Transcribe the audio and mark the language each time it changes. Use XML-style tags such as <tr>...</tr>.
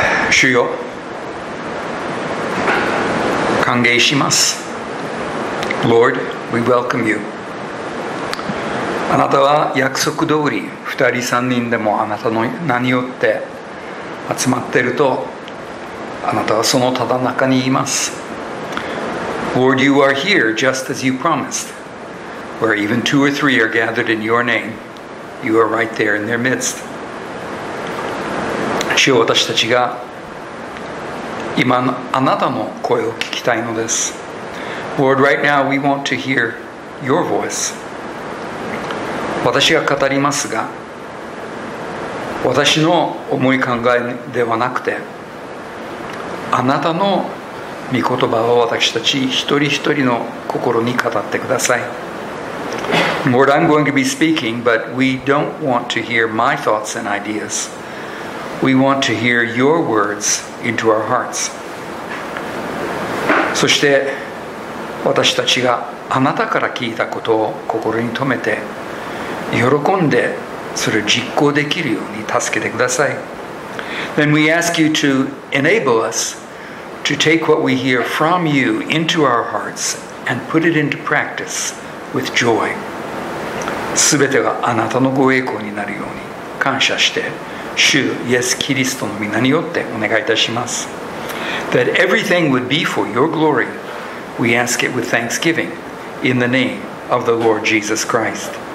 <ja>主よ、歓迎します。</ja> <en>Lord, we welcome you.</en> <ja>あなたは約束通り、二人三人でもあなたの名によって集まっていると、あなたはそのただ中にいます。</ja> <en>Lord, you are here just as you promised. Where even two or three are gathered in your name. You are right there in their midst.</en> <ja>主よ、私たちが今あなたの声を聞きたいのです。</ja> <en>Lord, right now we want to hear your voice.</en> <ja>私が語りますが、私の思い考えではなくて、あなたの御言葉を私たち一人一人の心に語ってください。</ja> <en>Lord, I'm going to be speaking, but we don't want to hear my thoughts and ideas. We want to hear your words into our hearts.</en> <ja>そして私たちがあなたから聞いたことを心に留めて、喜んでそれを実行できるように助けてください。</ja> <en>Then we ask you to enable us to take what we hear from you into our hearts and put it into practice with joy.</en> <ja>すべてがあなたのご栄光になるように感謝して、主イエス・キリストの御名によってお願いいたします。</ja> <en>That everything would be for your glory, we ask it with thanksgiving in the name of the Lord Jesus Christ.</en>